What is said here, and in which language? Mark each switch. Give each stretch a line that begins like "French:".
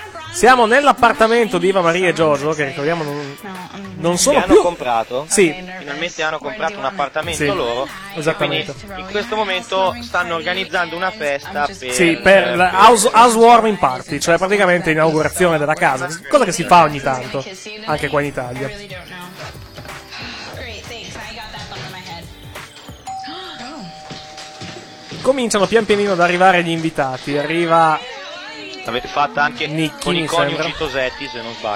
Italian: Siamo nell'appartamento di Eva Marie e Giorgio, che ricordiamo non sono hanno più comprato. Sì. Finalmente hanno comprato un appartamento, sì, loro. Esattamente. In questo momento stanno organizzando una festa per. Sì, per la housewarming party, cioè praticamente inaugurazione della casa. Cosa che si fa ogni tanto, anche qua in Italia.
English: Great, thanks. I got that on my head. Oh.
Italian: cominciano pian pianino ad arrivare gli invitati. Arriva. L'avete fatta anche Nicky, con i coniugi Tosetti, se non sbaglio.